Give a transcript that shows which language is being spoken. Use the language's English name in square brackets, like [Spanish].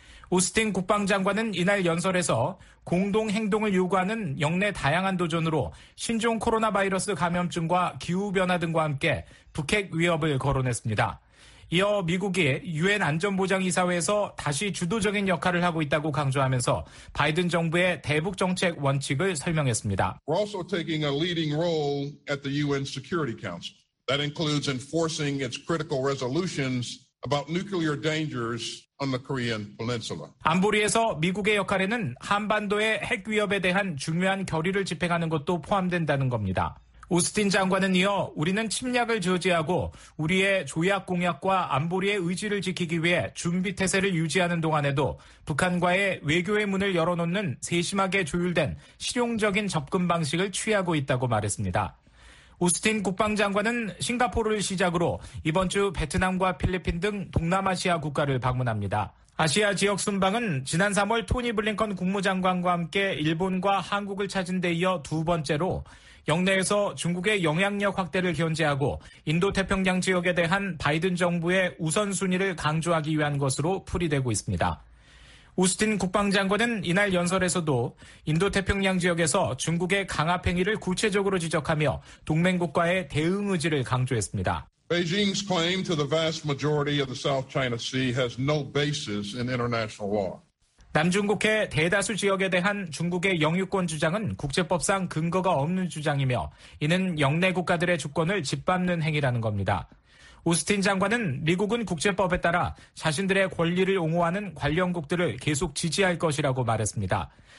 [Korean] 오스틴 국방장관은 이날 연설에서 공동행동을 요구하는 영내 다양한 도전으로 신종 코로나 바이러스 감염증과 기후변화 등과 함께 북핵 위협을 거론했습니다. 이어 미국이 유엔 안전보장이사회에서 다시 주도적인 역할을 하고 있다고 강조하면서 바이든 정부의 대북 정책 원칙을 설명했습니다. [English] We're also taking a leading role at the UN Security Council. That includes enforcing its critical resolutions about nuclear dangers on the Korean Peninsula. [Korean] 안보리에서 미국의 역할에는 한반도의 핵 위협에 대한 중요한 결의를 집행하는 것도 포함된다는 겁니다. 오스틴 장관은 이어 우리는 침략을 저지하고 우리의 조약 공약과 안보리의 의지를 지키기 위해 준비태세를 유지하는 동안에도 북한과의 외교의 문을 열어놓는 세심하게 조율된 실용적인 접근 방식을 취하고 있다고 말했습니다. 오스틴 국방장관은 싱가포르를 시작으로 이번 주 베트남과 필리핀 등 동남아시아 국가를 방문합니다. 아시아 지역 순방은 지난 3월 토니 블링컨 국무장관과 함께 일본과 한국을 찾은 데 이어 두 번째로 영내에서 중국의 영향력 확대를 견제하고 인도태평양 지역에 대한 바이든 정부의 우선순위를 강조하기 위한 것으로 풀이되고 있습니다. 오스틴 국방장관은 이날 연설에서도 인도태평양 지역에서 중국의 강압 행위를 구체적으로 지적하며 동맹국과의 대응 의지를 강조했습니다. [English] Beijing's claim to the vast majority of the South China Sea has no basis in international law. [Korean] 남중국해 대다수 지역에 대한 중국의 영유권 주장은 국제법상 근거가 없는 주장이며 이는 영내 국가들의 주권을 짓밟는 행위라는 겁니다. 오스틴 장관은 미국은 국제법에 따라 자신들의 권리를 옹호하는 관련국들을 계속 지지할 것이라고 말했습니다.